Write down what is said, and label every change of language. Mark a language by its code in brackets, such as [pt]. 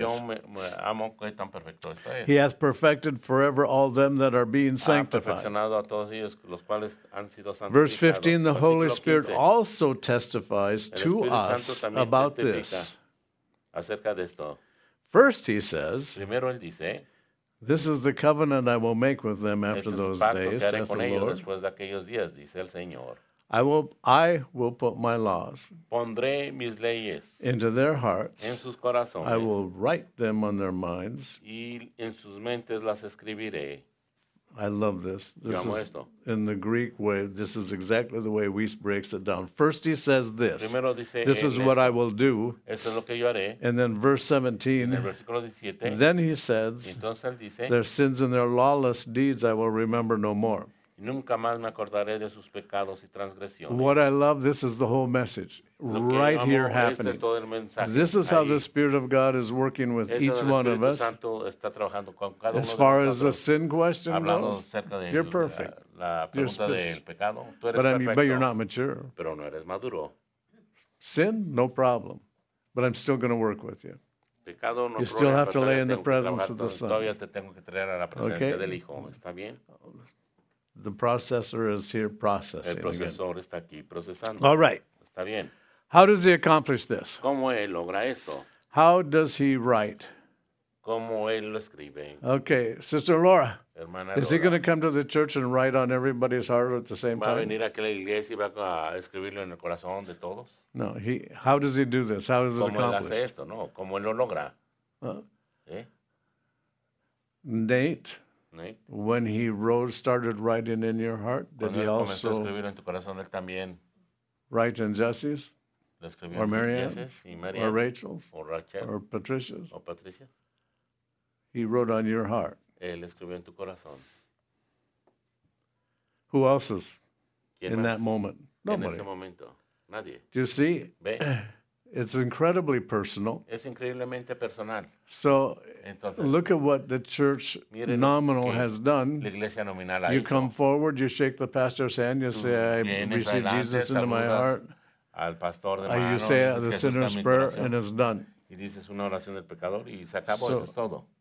[es] Yo me amo que tan perfecto esto es. [en] He has perfected forever all them that are being [es] ha [en] sanctified. [es] Perfeccionado a todos ellos, los cuales han sido santificados. [en] Verse 15, the Holy 15, Spirit also testifies [es] el Espíritu [en] to [es] Santo [en] us [es] también [en] about [es] testifica [en] this. [es] Acerca de esto. [en] First he says, [es] primero él dice, [en] this is the covenant I will make with them after [es] este [en] those days, says [es] con [en] the [es] ellos [en] Lord. [es] Después de aquellos días, dice el Señor. [en] I will put my laws [es] pondré mis leyes [en] into their hearts. [es] En sus corazones. [en] I will write them on their minds. [es] Y en sus mentes las escribiré. [en] I love this. This [es] yo amo [en] is [es] esto. [en] In the Greek way, this is exactly the way Weiss breaks it down. First he says this. [es] Primero dice [en] this is what I will do. [es] Eso es lo que yo haré. [en] And then verse 17. [es] En el versículo 17. [en] Then he says [es] entonces él dice, [en] their sins and their lawless deeds I will remember no more. [es] Nunca más me acordaré de sus pecados y transgresiones. [en] What I love, this is the whole message, right here happening. [es] Este es todo el mensaje. [en] This is How the Spirit of God is working with [es] este [en] each one of us. [es] Santo está trabajando con cada [en] as far as the sin question goes, you're perfect. But you're not mature. [es] Pero no eres maduro. [en] Sin, no problem. But I'm still going to work with you. [es] Pecado, no [en] you still have to lay in the presence of the Son. [es] Todavía te tengo que traer a la presencia [en] okay. [es] Del Hijo. ¿Está bien? [en] The processor is here processing. [es] El procesador [en] again. [es] Está aquí procesando. [en] All right. [es] Está bien. [en] How does he accomplish this? [es] ¿Cómo él logra esto? [en] How does he write? [es] ¿Cómo él lo escribe? [en] Okay, Sister Laura. [es] Hermana [en] is [es] Laura. [en] He going to come to the church and write on everybody's heart at the same time? [es] ¿Va a venir aquí a la iglesia y va a escribirlo en el corazón de todos? [en] No, how does he do this? How is it accomplished? [es] ¿Cómo él hace esto? No, ¿cómo él lo logra? [en] Nate. When he wrote, started writing in your heart, did he also [es] en tu corazón, él también [en] write in Jesse's? Or Marianne's? Or Rachel's? Or Rachel, or Patricia's? [es] O Patricia. [en] He wrote on your heart. [es] Él escribió en tu corazón. [en] Who else's? In that moment? Nobody. [es] En ese momento, nadie. [en] Do you see? [es] Ve. [en] It's incredibly personal. [es] Es increíblemente personal. [en] So, entonces, look at what the church nominal has done. [es] La iglesia nominal ha [en] you [es] hizo. [en] Come forward, you shake the pastor's hand, you say, I receive Jesus into my heart. [es] Al pastor de [en] mano, you say the sinner's prayer, and it's done. [es] Y dices una oración del pecador, y se acabó, so, eso es todo.